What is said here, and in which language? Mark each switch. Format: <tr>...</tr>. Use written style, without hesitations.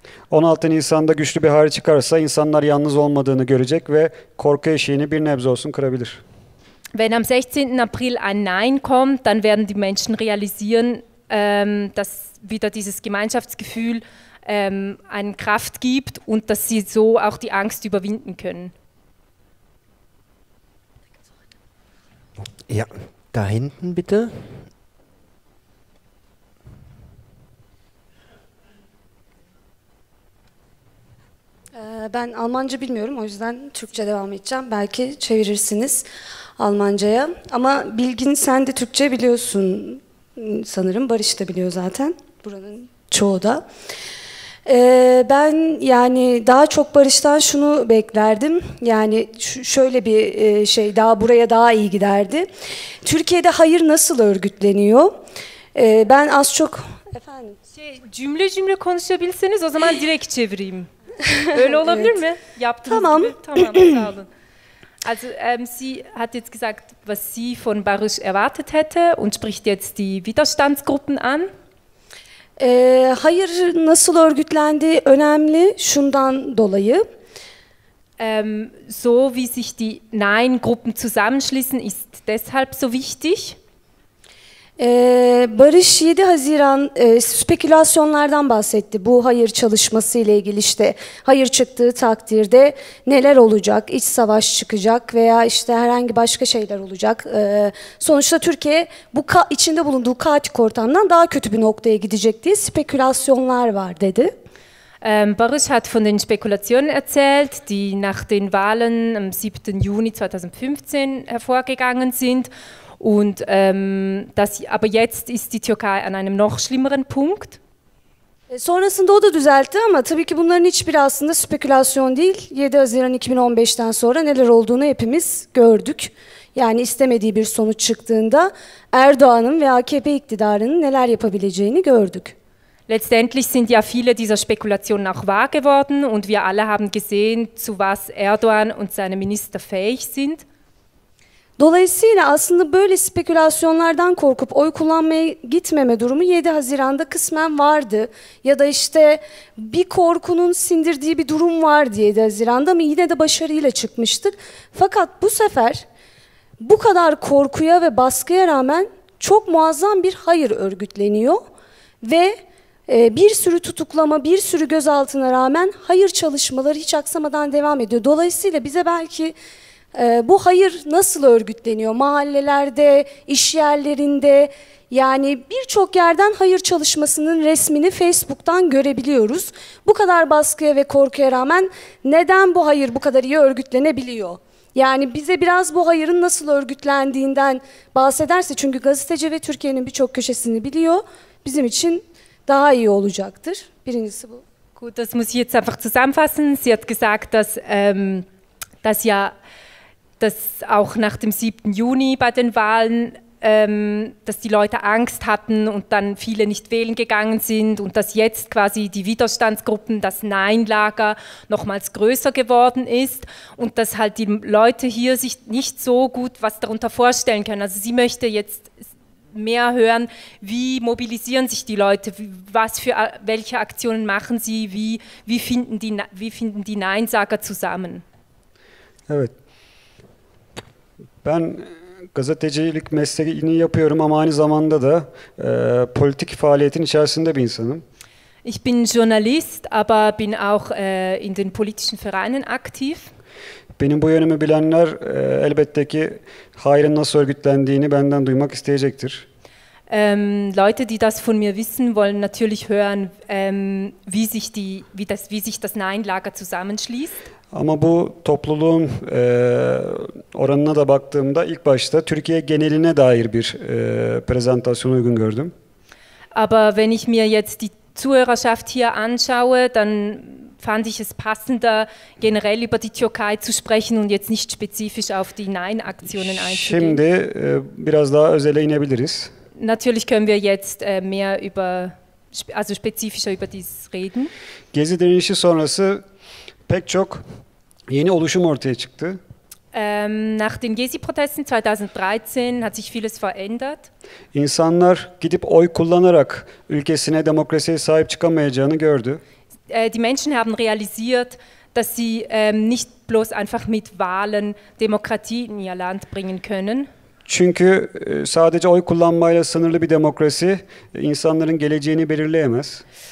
<tr>16 Nisan'da güçlü bir hari çıkarsa insanlar yalnız olmadığını görecek ve korku eşiğini bir nebze olsun kırabilir.</tr> <de>Wenn am 16. April ein Nein kommt, dann werden die Menschen realisieren, dass wieder dieses Gemeinschaftsgefühl eine Kraft gibt und dass sie so auch die Angst überwinden können. Ja, da hinten bitte.</de> <tr>Ben Almanca bilmiyorum, o yüzden Türkçe devam edeceğim. Belki çevirirsiniz Almanca'ya. Ama Bilgin, sen de Türkçe biliyorsun sanırım. Barış da biliyor zaten. Buranın çoğu da. Ben yani daha çok Barış'tan şunu beklerdim. Yani şöyle bir şey, daha buraya daha iyi giderdi. Türkiye'de hayır nasıl örgütleniyor? Ben az çok... Efendim? Cümle cümle konuşabilseniz o zaman direkt çevireyim. Öyle olabilir evet. mi? Yaptığınız tamam. gibi. Tamam, sağ olun.</tr> <de>Also sie hat jetzt gesagt, was sie von Barış erwartet hätte und spricht jetzt die Widerstandsgruppen an.</de> <tr>Hayır nasıl örgütlendiği önemli şundan dolayı.</tr> <de>So wie sich die Nein-Gruppen zusammenschließen ist deshalb so wichtig.</de> <tr>Barış 7 Haziran spekülasyonlardan bahsetti bu hayır çalışması ile ilgili, işte hayır çıktığı takdirde neler olacak, iç savaş çıkacak veya işte herhangi başka şeyler olacak. Sonuçta Türkiye bu içinde bulunduğu kaotik ortamdan daha kötü bir noktaya gidecek diye spekülasyonlar var dedi.</tr> <de>Barış hat von den Spekulationen erzählt, die nach den Wahlen am 7. Juni 2015 hervorgegangen sind. Und aber jetzt ist die Türkei an einem noch schlimmeren Punkt.</de> <tr>Sonrasında o da düzeltti ama tabii ki bunların hiçbiri aslında spekülasyon değil. 7 Haziran 2015'ten sonra neler olduğunu hepimiz gördük. Yani istemediği bir sonuç çıktığında Erdoğan'ın ve AKP iktidarının neler yapabileceğini gördük.</tr> <de>Letztendlich sind ja viele dieser Spekulationen auch wahr geworden und wir alle haben gesehen, zu was Erdoğan und seine Minister fähig sind.</de> <tr>Dolayısıyla aslında böyle spekülasyonlardan korkup oy kullanmaya gitmeme durumu 7 Haziran'da kısmen vardı. Ya da işte bir korkunun sindirdiği bir durum vardı 7 Haziran'da ama yine de başarıyla çıkmıştık. Fakat bu sefer bu kadar korkuya ve baskıya rağmen çok muazzam bir hayır örgütleniyor. Ve bir sürü tutuklama, bir sürü gözaltına rağmen hayır çalışmaları hiç aksamadan devam ediyor. Dolayısıyla bize belki bu hayır nasıl örgütleniyor? Mahallelerde, iş yerlerinde, yani birçok yerden hayır çalışmasının resmini Facebook'tan görebiliyoruz. Bu kadar baskıya ve korkuya rağmen neden bu hayır bu kadar iyi örgütlenebiliyor? Yani bize biraz bu hayırın nasıl örgütlendiğinden bahsederse, çünkü gazeteci ve Türkiye'nin birçok köşesini biliyor, bizim için daha iyi olacaktır. Birincisi bu.</tr> <de>Gut, das muss ich jetzt einfach zusammenfassen. Sie hat gesagt, dass das ja dass auch nach dem 7. Juni bei den Wahlen, dass die Leute Angst hatten und dann viele nicht wählen gegangen sind und dass jetzt quasi die Widerstandsgruppen, das Nein-Lager nochmals größer geworden ist und dass halt die Leute hier sich nicht so gut was darunter vorstellen können. Also sie möchte jetzt mehr hören, wie mobilisieren sich die Leute, was für, welche Aktionen machen sie, wie finden die Nein-Sager zusammen?</de> <tr>Ja, ben gazetecilik mesleğini yapıyorum ama aynı zamanda da politik faaliyetin içerisinde bir insanım.</tr> <de>Ich bin Journalist, aber bin auch in den politischen Vereinen aktiv.</de> <tr>Benim bu yönümü bilenler elbette ki hayrın nasıl örgütlendiğini benden duymak isteyecektir.</tr> <de>Leute, die das von mir wissen, wollen natürlich hören, wie sich das Nein-Lager zusammenschließt.</de> <tr>Ama bu topluluğun oranına da baktığımda ilk başta Türkiye geneline dair bir prezentasyon uygun gördüm.</tr> <de>Aber wenn ich mir jetzt die Zuhörerschaft hier anschaue, dann fand ich es passender, generell über die Türkei zu sprechen und jetzt nicht spezifisch auf die Nein-Aktionen einzugehen.</de> <tr>Şimdi biraz daha özele inebiliriz.</tr> <de>Natürlich können wir jetzt mehr über, also spezifischer über dies reden.</de> <tr>Gezi dönüşü sonrası pek çok yeni oluşum ortaya çıktı.</tr> <de>Nach den Gezi-Protesten 2013 hat sich vieles verändert.</de> <tr>İnsanlar gidip oy kullanarak ülkesine demokrasiye sahip çıkamayacağını gördü.</tr> <de>Die Menschen haben realisiert, dass sie nicht bloß einfach mit Wahlen Demokratie in ihr Land bringen können.</de> <tr>Çünkü sadece oy kullanmayla sınırlı bir demokrasi insanların geleceğini belirleyemez.</tr>